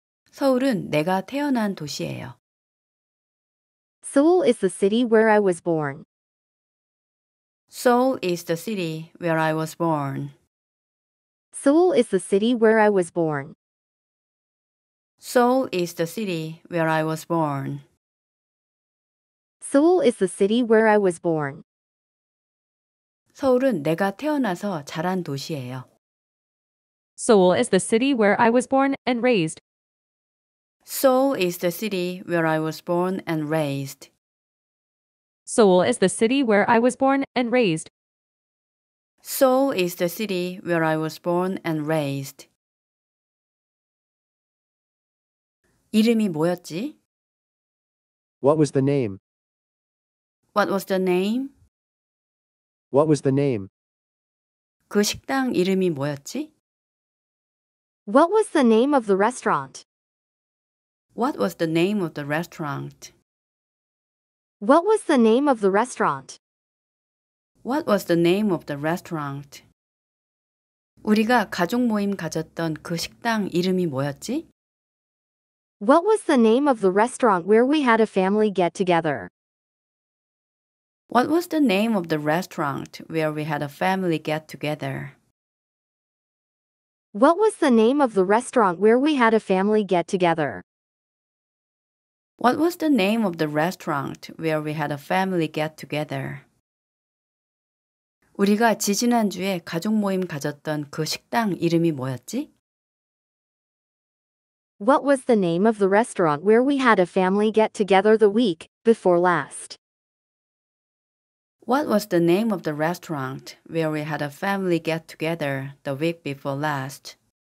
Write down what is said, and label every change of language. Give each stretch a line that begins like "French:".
Korean: 서울은 내가 태어난 도시예요.
English: Seoul is the city where I was born. Seoul is the city where I was born. Seoul is the city where I was born. Seoul is the city where I was born. Seoul is the city where I was born.
Korean: 서울은 내가 태어나서 자란 도시예요.
English: Seoul is the city where I was born and raised. Seoul is the city where I was born and raised. Seoul is the city where I was born and raised. Seoul is the city where I was born and raised.
Korean: 이름이 뭐였지?
English: What was the name? What was the name? What was the name?
Korean: 그 식당 이름이 뭐였지?
English: What was the name of the restaurant? What was the name of the restaurant? What was the name of the restaurant? What was the name of the restaurant?
Korean: 우리가 가족 모임 가졌던 그 식당 이름이 뭐였지?
English: What was the name of the restaurant where we had a family get together? What was the name of the restaurant where we had a family get together? What was the name of the restaurant where we had a family get together? What was the name of the restaurant where we had a family get together?
Korean: 우리가 지지난주에 가족 모임 가졌던 그 식당 이름이 뭐였지?
English: What was the name of the restaurant where we had a family get together the week before last? What was the name of the restaurant where we had a family get together the week before last?